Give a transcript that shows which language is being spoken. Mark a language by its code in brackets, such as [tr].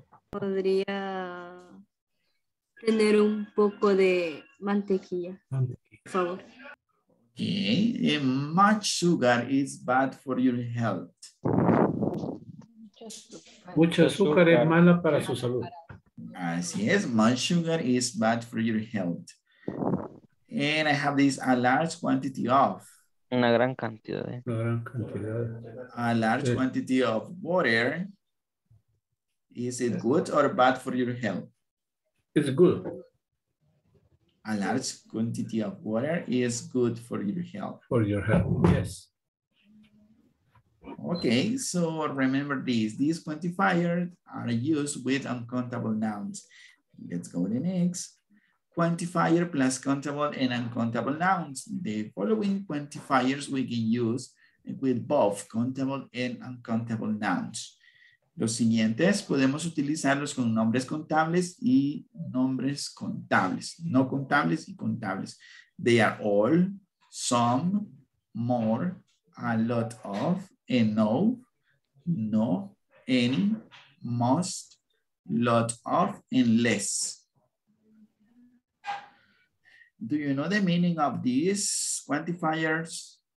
[es] Podría tener un poco de mantequilla, por favor. [en] Okay, much sugar is bad for your health. [es] Mucho azúcar es mala para su salud. Así es, [en] much sugar is bad for your health. And I have this, a large quantity of. [es] Una gran cantidad. Una gran cantidad. [en] A large quantity of water. Is it good or bad for your health? It's good. A large quantity of water is good for your health. For your health, yes. Okay, so remember this. These quantifiers are used with uncountable nouns. Let's go to the next. Quantifier plus countable and uncountable nouns. The following quantifiers we can use with both countable and uncountable nouns. [es] Los siguientes podemos utilizarlos con nombres contables y nombres contables, no contables y contables. [en] They are all, some, more, a lot of, and no, no, any, most, lot of, and less. Do you know the meaning of these quantifiers?